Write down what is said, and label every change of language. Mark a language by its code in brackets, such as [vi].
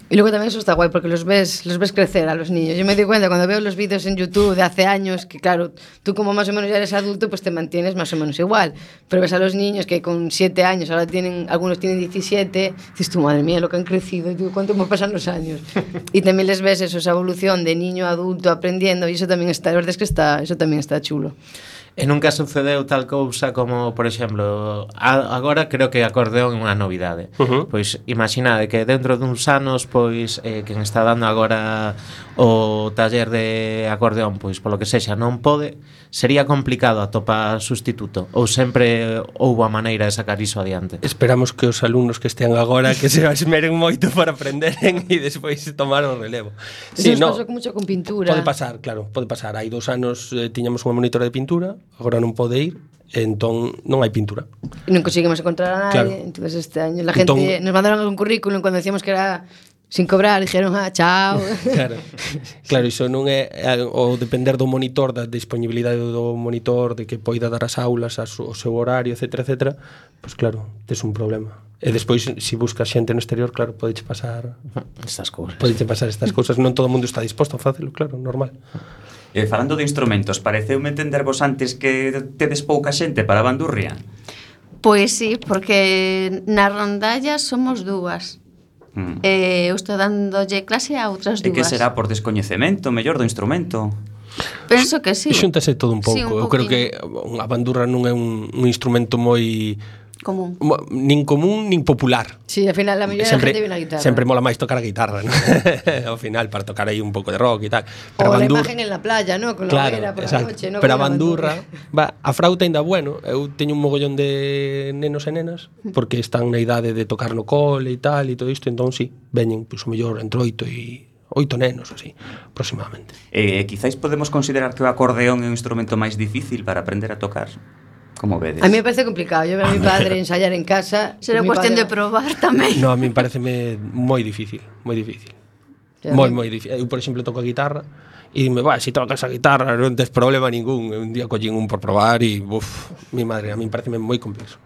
[es] Y luego también eso está guay porque los ves crecer a los niños. Yo me doy cuenta cuando veo los vídeos en YouTube de hace años que, claro, tú como más o menos ya eres adulto, pues te mantienes más o menos igual. Pero ves a los niños que con 7 años, ahora tienen, algunos tienen 17, dices tú, madre mía, lo que han crecido. Y tú, ¿cuánto me pasan los años? Y también les ves eso, esa evolución de niño a adulto aprendiendo, y eso también está, la verdad es que está, eso también está chulo. [gl] E nunca sucedeu tal cousa como, por exemplo, agora creo que acordeón é unha novidade. Uh-huh. Pois imaginade que dentro duns anos, pois, quen está dando agora o taller de acordeón, pois polo que sexa non pode, sería complicado atopar sustituto, ou sempre houbo a maneira de sacar iso adiante. Esperamos que os alumnos que estean agora que se esmeren moito para aprenderen e despois tomar o relevo. Sí, no, pasou mucho con pintura. Pode pasar, claro, pode pasar. Hai 2 anos tiñamos unha monitora de pintura, agora non pode ir, entón non hai pintura. Non conseguimos encontrar a [es] nadie, claro. Entonces este año la gente nos mandaron algún currículum cuando decíamos que era sin cobrar, dijeron, ah, chao. [gl] Claro, claro, iso non é, o depender do monitor, da disponibilidade do monitor, de que poida dar as aulas, o seu horario, etcétera, etcétera, [es] pues claro, [gl] tes un problema. E despois, si buscas xente no exterior, claro, podes pasar estas cousas. Podes pasar estas cousas, non todo o mundo está disposto a facelo, claro, normal. Falando de instrumentos, pareceume entendervos antes que tedes pouca xente para a bandurria. Pois sí, porque na rondalla somos dúas. Eu estou dándolle clase a outras dúas. E que será por descoñecemento, mellor do instrumento? Penso que sí. Xúntase todo un pouco. Sí, eu creo que a bandurra non é un instrumento moi común. Nin común, nin popular. Sí, al final a mellor xente viene a guitarra. Sempre mola máis tocar a guitarra, ¿no? Ao final, para tocar aí un pouco de rock e tal. Pero o bandurra, [es] la imagen en la playa, ¿no? Con claro, la vela por la noche, ¿no? [gl] Pero a bandurra, va, a frauta ainda bueno. Eu teño un mogollón de nenos e nenas, porque están na idade de tocar no cole e tal, e todo isto, entón sí, veñen, pues, o mellor entre oito e oito nenos, así, aproximadamente. Quizáis podemos considerar que o acordeón é un instrumento máis difícil para aprender a tocar. Como vedes? [es] A mí me parece complicado. Yo veo a mi padre ensayar en casa. Será cuestión padre de probar también. No, a mí me parece muy difícil. Muy difícil. Muy, muy difícil. Yo, por ejemplo, toco guitarra y me va, si tocas a guitarra, no tienes problema ningún. Un día cogí un por probar y, uff, mi madre, a mí me parece muy complejo.